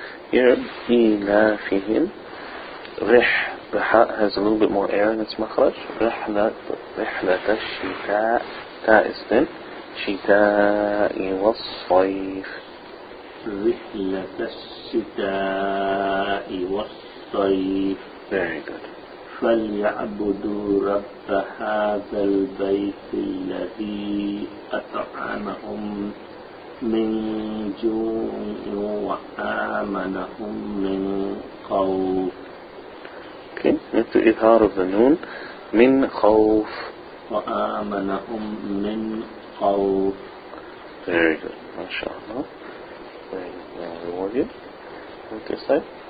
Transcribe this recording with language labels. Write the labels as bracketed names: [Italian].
[English] Here, [Arabic] إيلافهم رح. [English] The ha has a little bit more air in its makhraj. [Arabic] رحلة الشتاء. [English] Ta is thin. [Arabic] شتاء والصيف. رحلة الشتاء والصيف. [English] Very good. [Arabic] فليعبدوا رب هذا البيت الذي أطعمهم من جوع وآمنهم من خوف. [English] Okay, that's the إظهار of the noon. [Arabic] من خوف. وآمنهم من خوف. [English] Very good. MashaAllah. Reward you. Okay, side.